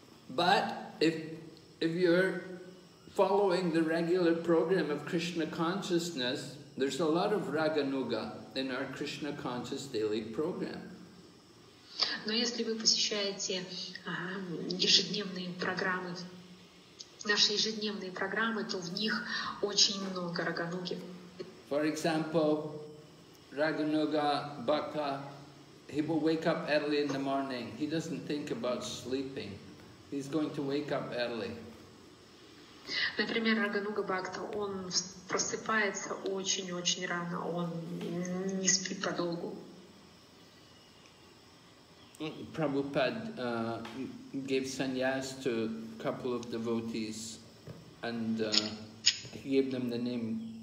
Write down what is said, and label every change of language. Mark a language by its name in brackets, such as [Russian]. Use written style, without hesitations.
[English] But if you're following the regular program of Krishna consciousness, there's a lot of Raganuga in our Krishna conscious daily program. [Russian] Но если вы посещаете ежедневные программы, наши ежедневные программы, то в них очень много Рагануги. [English] For example, Raganuga Bhakta, he will wake up early in the morning. He doesn't think about sleeping. He's going to wake up early. [Russian] Например, Рагануга Бхакта, он просыпается очень-очень рано. Он не спит подолгу. [English] Prabhupada gave sannyas to a couple of devotees, and he gave them the name.